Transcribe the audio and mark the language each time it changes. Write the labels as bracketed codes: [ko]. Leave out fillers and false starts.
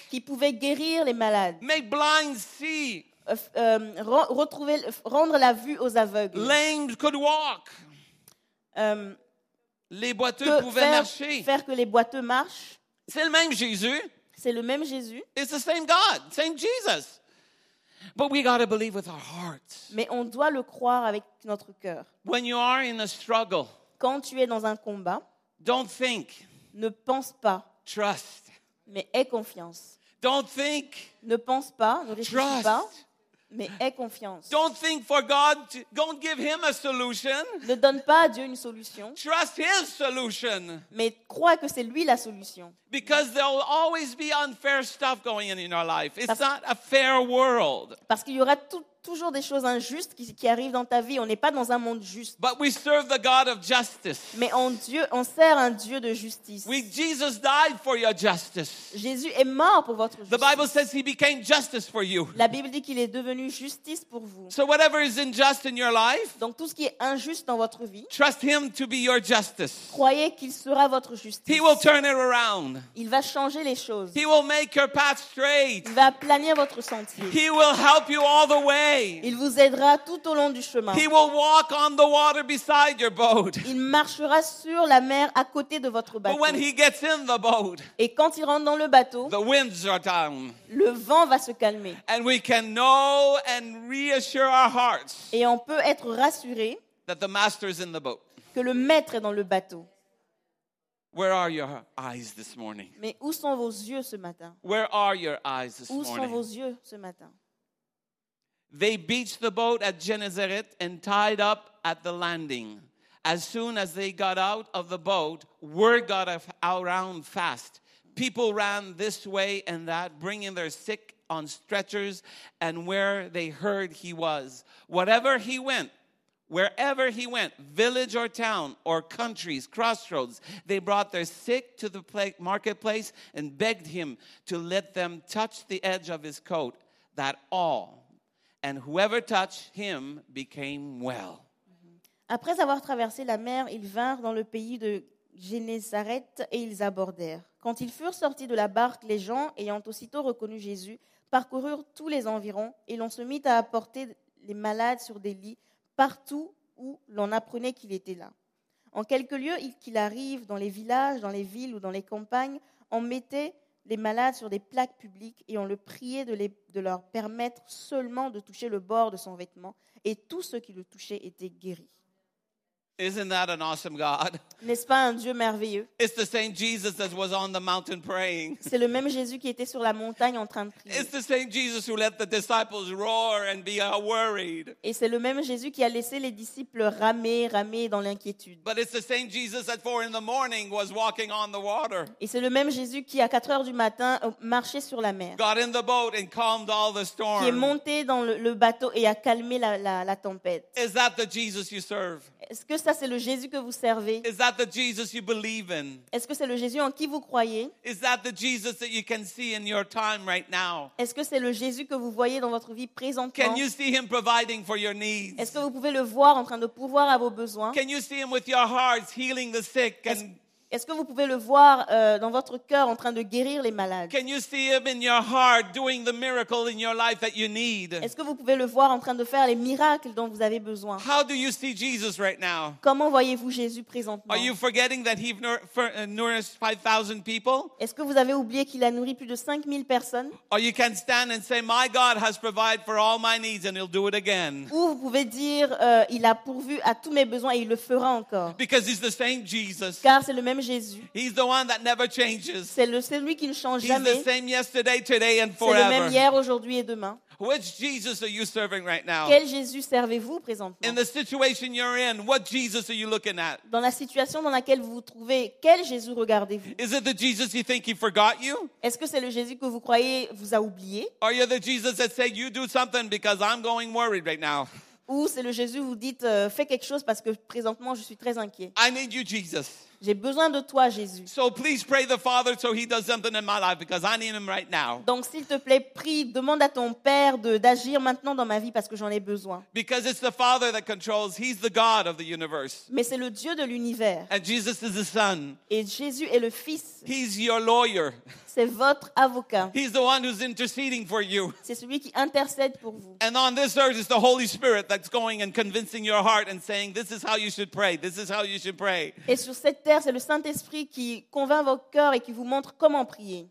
[fr] Qui pouvait guérir les malades. [en] Make blind see. [fr] Rendre la vue aux aveugles. [en] Lame could walk. [fr] Les boiteux pouvaient marcher. Faire que les boiteux marchent. C'est le même Jésus. C'est le même Jésus. [en] It's the same God, same Jesus. But we got to believe with our hearts. [fr] Mais on doit le croire avec notre cœur. [en] When you are in a struggle. [fr] Quand tu es dans un combat. [en] Don't think. [fr] Ne pense pas. [en] Trust. [fr] Mais aie confiance. [en] Don't think. [fr] Ne pense pas, ne réfléchis pas, mais aie confiance. [en] Don't think for God. Don't give him a solution. [fr] Ne donne pas à Dieu une solution. [en] Trust his solution. [fr] Mais crois que c'est lui la solution. [en] Because there will always be unfair stuff going on in our life. It's not a fair world. [fr] Parce qu'il y aura toujours des choses injustes qui arrivent dans ta vie. On n'est pas dans un monde juste. [en] But we serve the God of justice. [fr] Mais on sert un Dieu de justice. [en] Jesus died for your justice. [fr] Jésus est mort pour votre justice. [en] The Bible says he became justice for you. [fr] La Bible dit qu'il est devenu justice pour vous. [en] So whatever is unjust in your life, [fr] donc tout ce qui est injuste dans votre vie, [en] trust him to be your justice. [fr] Croyez qu'il sera votre justice. [en] He will turn it around. [fr] Il va changer les choses. [en] He will make your path straight. [fr] Il va planir votre sentier. [en] He will help you all the way. [fr] Il vous aidera tout au long du chemin. [en] He will walk on the water beside your boat. [fr] Il marchera sur la mer à côté de votre bateau. [en] But when he gets in the boat, [fr] et quand il rentre dans le bateau, [en] the winds are down. [fr] Le vent va se calmer. [en] And we can know and reassure our hearts [fr] et on peut être rassuré [en] that the master is in the boat. [fr] Que le maître est dans le bateau. [en] Where are your eyes this morning? [fr] Mais où sont vos yeux ce matin? [en] Where are your eyes this [fr] où [en] morning? [fr] Sont vos yeux ce matin? [en] They beached the boat at Gennesaret and tied up at the landing. As soon as they got out of the boat, word got around fast. People ran this way and that, bringing their sick on stretchers and where they heard he was. Whatever he went, wherever he went, village or town or countries, crossroads, they brought their sick to the marketplace and begged him to let them touch the edge of his coat, that all... And whoever touched him became well. [fr] Après avoir traversé la mer, ils vinrent dans le pays de Génésareth et ils abordèrent. Quand ils furent sortis de la barque, les gens, ayant aussitôt reconnu Jésus, parcoururent tous les environs et l'on se mit à apporter les malades sur des lits partout où l'on apprenait qu'il était là. En quelques lieux qu'il arrive, dans les villages, dans les villes ou dans les campagnes, on mettait... les malades sur des plaques publiques et on le priait de leur permettre seulement de toucher le bord de son vêtement et tous ceux qui le touchaient étaient guéris. [en] Isn't that an awesome God? [fr] N'est-ce pas un Dieu merveilleux? [en] It's the same Jesus that was on the mountain praying. [fr] C'est le même Jésus qui était sur la montagne en train de prier. [en] It's the same Jesus who let the disciples roar and be worried. [fr] Et c'est le même Jésus qui a laissé les disciples ramer dans l'inquiétude. [en] But it's the same Jesus at 4 in the morning was walking on the water. [fr] Et c'est le même Jésus qui à 4 heures du matin marchait sur la mer. [en] Got in the boat and calmed all the storm. [fr] Qui est monté dans le bateau et a calmé la tempête. [en] Is that the Jesus you serve? [fr] Est-ce que ça, c'est le Jésus que vous servez? [en] Is that the Jesus you believe in? [fr] Est-ce que c'est le Jésus en qui vous croyez? [en] Is that the Jesus that you can see in your time right now? [fr] Est-ce que c'est le Jésus que vous voyez dans votre vie présentement? [en] Can you see him providing for your needs? [fr] Est-ce que vous pouvez le voir en train de pourvoir à vos besoins? [en] Can you see him with your hearts healing the sick and [fr] Est-ce que vous pouvez le voir dans votre cœur en train de guérir les malades? [en] Can you see him in your heart doing the miracle in your life that you need? [fr] Est-ce que vous pouvez le voir en train de faire les miracles dont vous avez besoin? [en] How do you see Jesus right now? [fr] Comment voyez-vous Jésus présentement? [en] Are you forgetting that he nourished 5,000 people? [fr] Est-ce que vous avez oublié qu'il a nourri plus de 5,000 personnes? [en] Or you can stand and say, "My God has provided for all my needs, and He'll do it again." [fr] Ou vous pouvez dire, il a pourvu à tous mes besoins et il le fera encore. [en] Because he's the same Jesus. [fr] Car c'est le même même Jésus. [en] He's the one that never changes. [fr] C'est lui qui ne change [en] He's [fr] jamais. [en] He's the same yesterday, today, and forever. [fr] C'est le même hier, aujourd'hui et demain. [en] Which Jesus are you serving right now? [fr] Quel Jésus servez-vous présentement? [en] In the situation you're in, what Jesus are you looking at? [fr] Dans la situation dans laquelle vous vous trouvez, quel Jésus regardez-vous? [en] Is it the Jesus you think he forgot you? [fr] Est-ce que c'est le Jésus que vous croyez vous a oublié? [en] Or you're the Jesus that say you do something because I'm going worried right now? [fr] Ou c'est le Jésus vous dites fais quelque chose parce que présentement je suis très inquiet. [en] I need you, Jesus. [fr] J'ai besoin de toi, Jésus. [en] So please pray the Father so he does something in my life because I need him right now. [fr] Donc s'il te plaît, prie, demande à ton Père d'agir maintenant dans ma vie parce que j'en ai besoin. [en] Because it's the Father that controls. He's the God of the universe. [fr] Mais c'est le Dieu de l'univers. [en] And Jesus is the Son. [fr] Et Jésus est le Fils. [en] He's your lawyer. [fr] C'est votre avocat. [en] He's the one who's interceding for you. [fr] C'est celui qui intercède pour vous. [en] And on this earth is the Holy Spirit that's going and convincing your heart and saying this is how you should pray. This is how you should pray. [fr] Et sur cette terre, c'est le Saint-Esprit qui convainc vos cœurs et qui vous montre comment prier.